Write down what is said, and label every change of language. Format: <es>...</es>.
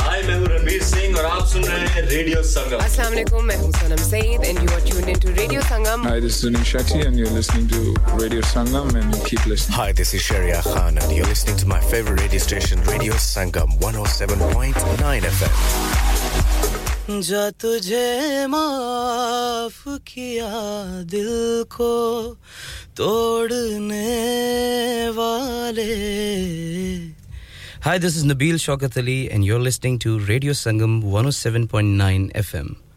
<hi>Hi, main hu Ranveer Singh, aur aap sun rahe hain Radio Sangam.</hi> <en>Assalamu alaikum,</en> <hi>main hu</hi> <en>Sanam Saeed, and you are tuned into Radio Sangam. Hi, this is Anish Shetty, and you're listening to Radio Sangam, and keep listening. Hi, this is Sharia Khan, and you're listening to my favorite radio station, Radio Sangam 107.9 FM.</en> <hi>जा तुझे माफ किया दिल को तोड़ने वाले</hi> <en>Hi, this is Nabeel Shaukat Ali and you're listening to Radio Sangam 107.9 FM.</en>